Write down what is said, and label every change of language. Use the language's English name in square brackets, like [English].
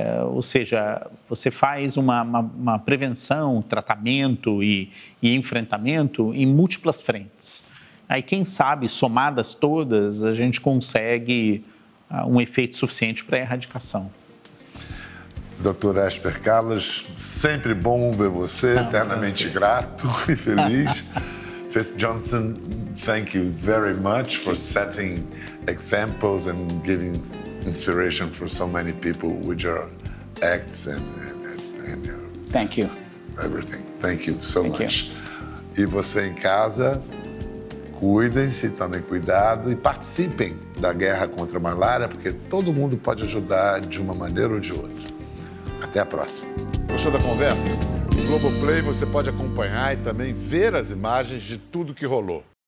[Portuguese] Ou seja, você faz uma prevenção, tratamento e enfrentamento em múltiplas frentes. Aí, quem sabe, somadas todas, a gente consegue um efeito suficiente para a erradicação. Dr. Esper Kallas, sempre bom ver você, eternamente grato e feliz. [English] Fisk Johnson, thank you very much for setting examples and giving inspiration for so many people with your acts and your... Thank you. Everything. Thank you so thank much. You. [Portuguese] E você em casa, cuidem-se, tomem cuidado e participem da guerra contra a malária, porque todo mundo pode ajudar de uma maneira ou de outra. Até a próxima. Gostou da conversa? No Globoplay você pode acompanhar e também ver as imagens de tudo que rolou.